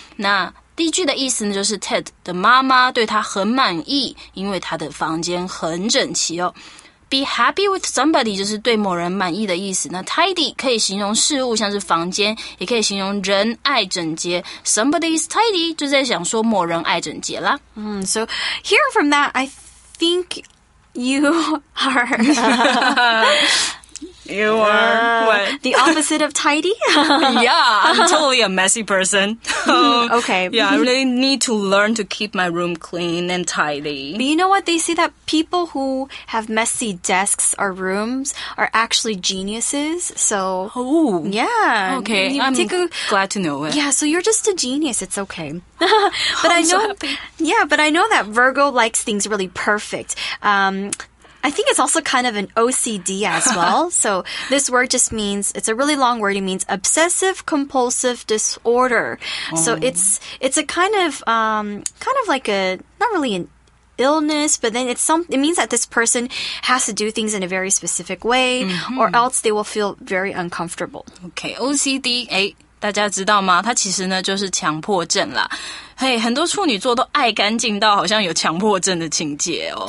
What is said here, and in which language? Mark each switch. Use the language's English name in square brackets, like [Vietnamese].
[Chinese] 那第一句的意思呢，就是 Ted 的妈妈对他很满意，因为他的房间很整齐哦。 [English] Be happy with somebody [Chinese] 就是对某人满意的意思。那 tidy 可以形容事物，像是房间，也可以形容人爱整洁。 [English] Somebody is tidy [Chinese] 就在想说某人爱整洁啦。 [English] So hearing from that, I think you are... you are what? The opposite of tidy? Yeah, I'm totally a messy person. Okay. Yeah, I really need to learn to keep my room clean and tidy. But you know what? They say that people who have messy desks or rooms are actually geniuses. So, oh, yeah. Okay, glad to know it. Yeah, so you're just a genius. It's okay. But I'm so happy. Yeah, but I know that Virgo likes things really perfect. I think it's also kind of an OCD as well. So this word just means, it's a really long word. It means obsessive compulsive disorder. So it's a kind of like a, not really an illness, but then it means that this person has to do things in a very specific way, or else they will feel very uncomfortable. [Chinese] Okay, OCD, 大家知道吗？它其实呢就是强迫症啦。嘿，很多处女座都爱干净到好像有强迫症的情节哦。